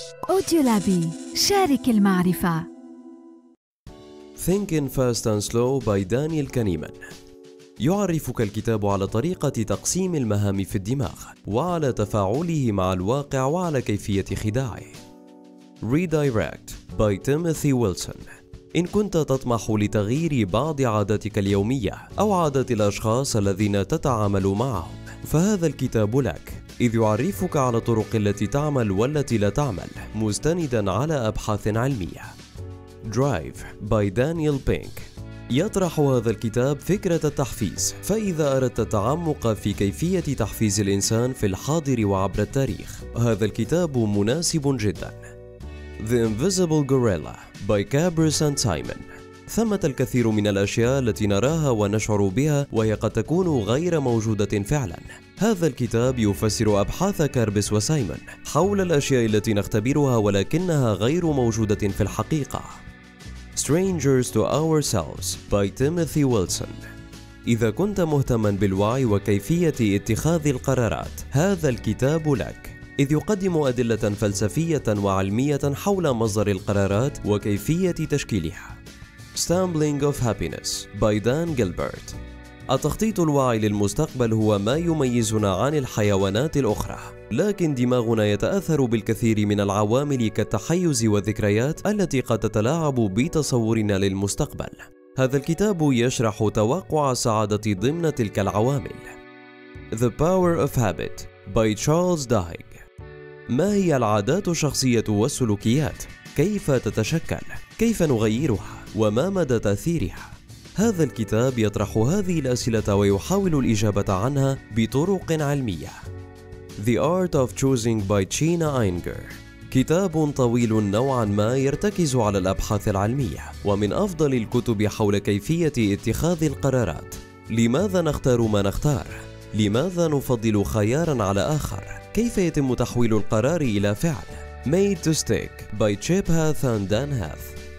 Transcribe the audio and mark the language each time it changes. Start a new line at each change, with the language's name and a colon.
Arabic: أوديولابي، شارك المعرفة.
English: Thinking Fast and Slow by Daniel Kahneman.
Arabic: يعرفك الكتاب على طريقة تقسيم المهام في الدماغ وعلى تفاعله مع الواقع وعلى كيفية خداعه.
English: Redirect by Timothy Wilson.
Arabic: إن كنت تطمح لتغيير بعض عاداتك اليومية أو عادات الأشخاص الذين تتعامل معهم فهذا الكتاب لك، إذ يعرفك على الطرق التي تعمل والتي لا تعمل مستندا على أبحاث علمية.
English: Drive by Daniel Pink.
Arabic: يطرح هذا الكتاب فكرة التحفيز، فإذا أردت التعمق في كيفية تحفيز الإنسان في الحاضر وعبر التاريخ هذا الكتاب مناسب جدا.
English: The Invisible Gorilla by Cabris and Simon.
Arabic: ثمة الكثير من الأشياء التي نراها ونشعر بها وهي قد تكون غير موجودة فعلا. هذا الكتاب يفسر أبحاث كاربس وسايمون حول الأشياء التي نختبرها ولكنها غير موجودة في الحقيقة.
English: Strangers to Ourselves by Timothy Wilson.
Arabic: إذا كنت مهتما بالوعي وكيفية اتخاذ القرارات هذا الكتاب لك، إذ يقدم أدلة فلسفية وعلمية حول مصدر القرارات وكيفية تشكيلها.
English: Stumbling of Happiness by Dan Gilbert.
Arabic: التخطيط الواعي للمستقبل هو ما يميزنا عن الحيوانات الأخرى، لكن دماغنا يتأثر بالكثير من العوامل كالتحيز والذكريات التي قد تتلاعب بتصورنا للمستقبل. هذا الكتاب يشرح توقع السعادة ضمن تلك العوامل.
English: The Power of Habit by Charles Duhigg.
Arabic: ما هي العادات الشخصية والسلوكيات؟ كيف تتشكل؟ كيف نغيرها؟ وما مدى تأثيرها؟ هذا الكتاب يطرح هذه الأسئلة ويحاول الإجابة عنها بطرق علمية.
English: The Art of Choosing by Gina Einger.
Arabic: كتاب طويل نوعا ما يرتكز على الأبحاث العلمية ومن أفضل الكتب حول كيفية اتخاذ القرارات. لماذا نختار ما نختار؟ لماذا نفضل خيارا على آخر؟ كيف يتم تحويل القرار إلى فعل؟
English: Made to Stick by Chip Hath and Dan Hath.